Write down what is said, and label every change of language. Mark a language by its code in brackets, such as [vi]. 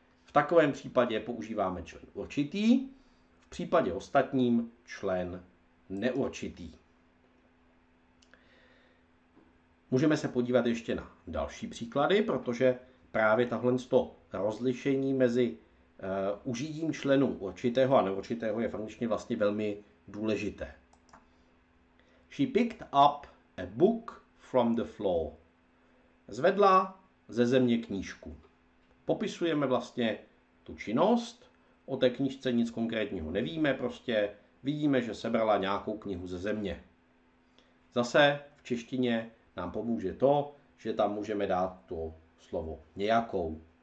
[cs] V takovém případě používáme člen určitý, v případě ostatním člen neurčitý. Můžeme se podívat ještě na další příklady, protože právě tahle to rozlišení mezi užitím členů určitého a neurčitého je funkčně vlastně velmi důležité. [en] She picked up a book from the floor. [cs] Zvedla ze země knížku. Popisujeme vlastně tu činnost. O té knížce nic konkrétního nevíme, prostě vidíme, že sebrala nějakou knihu ze země. Zase v češtině nám pomůže to, že tam můžeme dát to slovo nějakou.